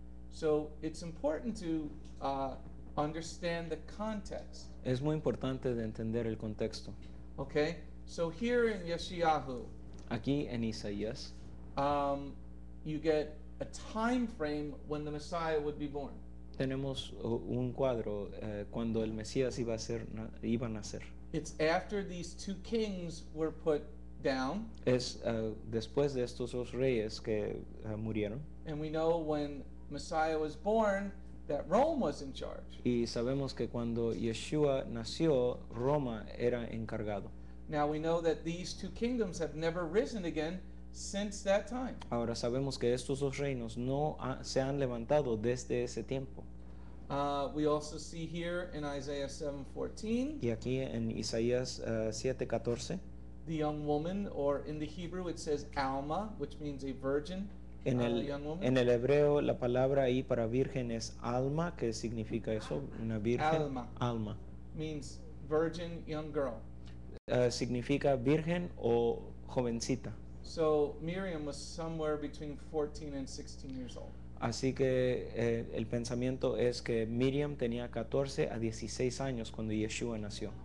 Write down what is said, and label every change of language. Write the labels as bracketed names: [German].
[English] So it's important to understand the context. [Spanish] Es muy importante de entender el contexto. [English] Okay, so here in Yeshayahu, [Spanish] aquí en Isaías, [English] you get a time frame when the Messiah would be born. [Spanish] Tenemos un cuadro cuando el Mesías iba a nacer. [English] It's after these two kings were put down. [Spanish] Es después de estos dos reyes que murieron. [English] And we know when Messiah was born that Rome was in charge. [Spanish] Y sabemos que cuando Yeshua nació, Roma era encargado. [English] Now we know that these two kingdoms have never risen again since that time. [Spanish] Ahora sabemos que estos dos reinos no se han levantado desde ese tiempo. [English] We also see here in Isaiah 7:14. [Spanish] Y aquí en Isaías 7:14. [English] The young woman, or in the Hebrew it says Alma, which means a virgin. [Spanish] En el [English] young woman. [Spanish] En el hebreo la palabra ahí para virgen es Alma, que significa eso, una virgen. [Hebrew] Alma. Alma. [English] Means virgin, young girl. [Spanish] Significa virgen o jovencita. [English] So Miriam was somewhere between 14 and 16 years old. [Spanish] Así que el pensamiento es que Miriam tenía 14 a 16 años cuando Yeshua nació.